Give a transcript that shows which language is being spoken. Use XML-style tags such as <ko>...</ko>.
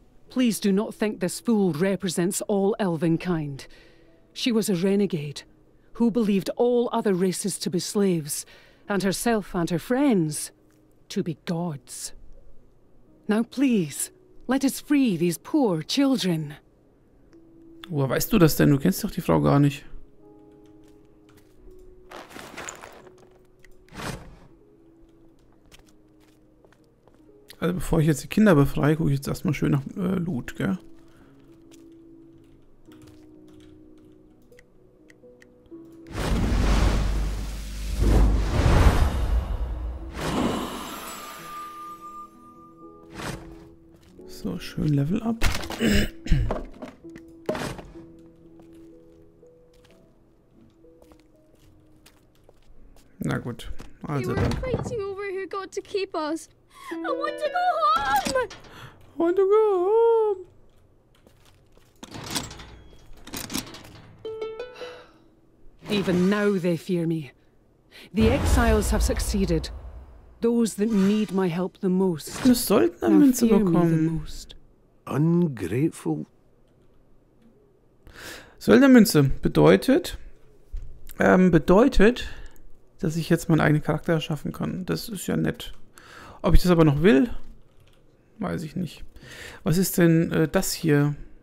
<en>Please do not think this fool represents all elvenkind. She was a renegade, who believed all other races to be slaves, and herself and her friends to be gods. Now please, let us free these poor children.</en> <de>Woher weißt du das denn? Du kennst doch die Frau gar nicht. Also bevor ich jetzt die Kinder befreie, gucke ich jetzt erstmal schön nach Loot, gell? So, schön Level up. Na gut, also dann.</de> <en>We were fighting over who got to keep us. I want to go home! I want to go home! Even now they fear me. The exiles have succeeded. Those that need my help the most.</en> <de>Wir sollten am Ende bekommen.</de> <en>Ungrateful.</en> <de>Söldnermünze bedeutet. Bedeutet, dass ich jetzt meinen eigenen Charakter erschaffen kann. Das ist ja nett. Ob ich das aber noch will, weiß ich nicht. Was ist denn das hier?</de>